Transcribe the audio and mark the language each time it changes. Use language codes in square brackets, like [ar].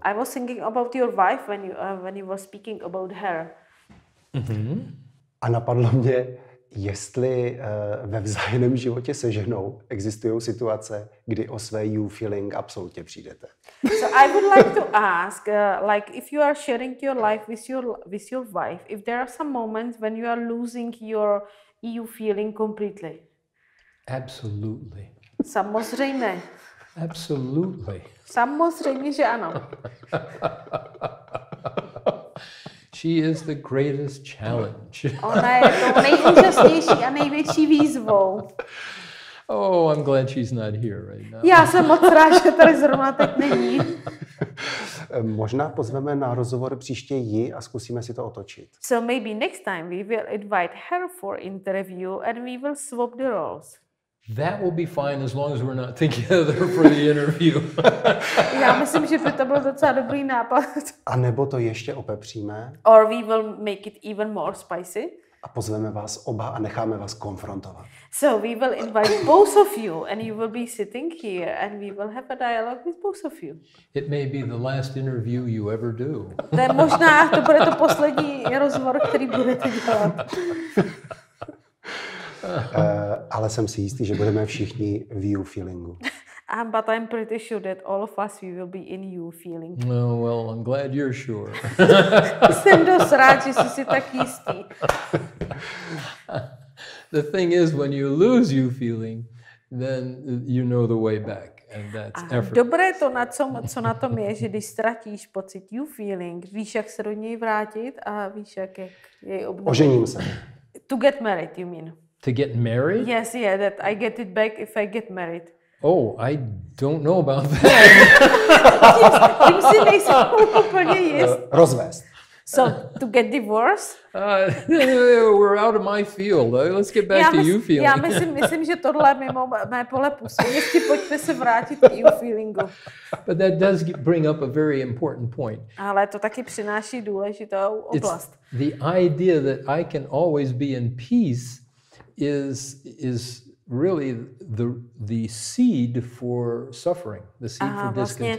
[en] I was thinking about your wife when you were speaking about her. Mm-hmm. [cs] A napadlo mě, jestli ve vzájemném životě se ženou existují situace, kdy o své you feeling absolutně přijdete. [en] So I would like to ask, like if you are sharing your life with your wife, if there are some moments when you are losing your you feeling completely. Absolutely. [cs] Samozřejmě. [en] Absolutely. [cs] Samozřejmě, že ano. [en] She is the greatest challenge. [cs] Ona je tou nejúžasnější a největší výzvou. [en] Oh, I'm glad she's not here right now. [cs] Já jsem moc rád, že tady zrovna teď není. Možná pozveme na rozhovor příště ji a zkusíme si to otočit. [en] So maybe next time we will invite her for interview and we will swap the roles. That will be fine as long as we're not together for the interview. [cs] Já myslím, že by to byl docela dobrý nápad. A nebo to ještě opepříme. [en] Or we will make it even more spicy. [cs] A pozveme vás oba a necháme vás konfrontovat. [en] So we will invite both of you and you will be sitting here and we will have a dialogue with both of you. It may be the last interview you ever do. [cs] To je možná, to bude to poslední rozhovor, který budete dělat. Ale jsem si jistý, že budeme všichni v you feelingu. [en] But I'm pretty sure that all of us we will be in you feeling. No, well, I'm glad you're sure. [cs] Jsem dost rád, že jsi si tak jistý. [en] The thing is, when you lose you feeling, then you know the way back, and that's effort. [cs] Dobré to, co na tom je, že když ztratíš pocit you feeling, víš, jak se do něj vrátit a víš, jak jej obnovit. Ožením se. [en] To get married, you mean? To get married? Yes, yeah, that I get it back if I get married. Oh, I don't know about that. [cs] Tím si nejsem úplně jist. Rozvést. [en] So, to get divorced? We're out of my field. Let's get back to you feeling. [cs] Já myslím, že tohle mimo mé pole působnosti. Pojďte se vrátit k you feelingu. [en] But that does bring up a very important point. [cs] Ale to taky přináší důležitou oblast. [en] It's the idea that I can always be in peace is really the seed for suffering, the seed for discontent.